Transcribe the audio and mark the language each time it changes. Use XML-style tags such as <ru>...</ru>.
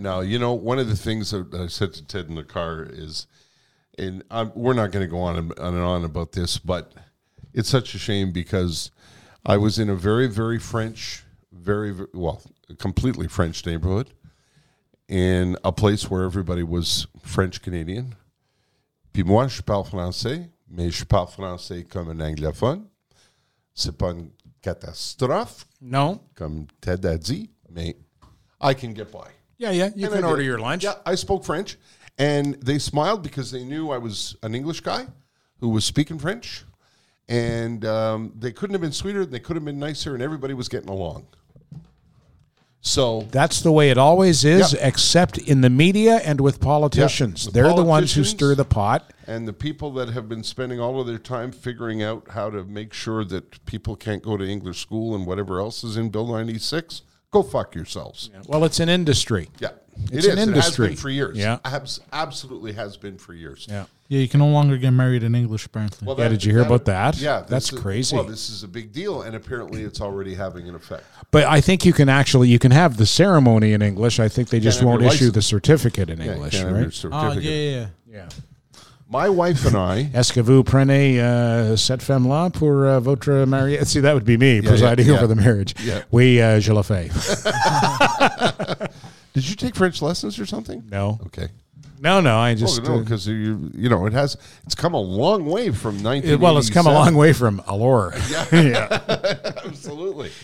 <en>No, you know, one of the things that I said to Ted in the car is, and we're not going to go on and on about this, but it's such a shame because I was in a very, very French, very, very, well, a completely French neighborhood in a place where everybody was French-Canadian.</en> <fr>Puis moi, je parle français, mais je parle français comme un anglophone. C'est pas une catastrophe.</fr> <en>No.</en> <fr>Comme Ted a dit, mais...</fr> <en>I can get by. Yeah, yeah. You can order your lunch. Yeah, I spoke French, and they smiled because they knew I was an English guy who was speaking French. And they couldn't have been sweeter. They could have been nicer. And everybody was getting along. So that's the way it always is, yeah. Except in the media and with politicians. Yeah. They're the ones who stir the pot. And the people that have been spending all of their time figuring out how to make sure that people can't go to English school and whatever else is in Bill 96, go fuck yourselves. Yeah. Well, it's an industry. Yeah. It's an industry. It has been for years. Yeah. Absolutely has been for years. Yeah. Yeah, you can no longer get married in English, apparently. Well, did you hear about that? Yeah. That's crazy. Well, this is a big deal, and apparently it's already having an effect. But I think you can have the ceremony in English. I think they just won't issue the certificate in English, right? Yeah. My wife and I...</en> <fr>Est-ce-que-vous prenez cette femme-là pour votre mariage?</fr> <en>See, that would be me presiding over the marriage. Yeah.</en> <fr>Oui, je le fais.</fr> <en>Did you take French lessons or something? No. Okay. No, I just... Oh, no, because, you know, it's come a long way from 1987. Well, it's come a long way from Allure. Yeah. Yeah. Absolutely.</en>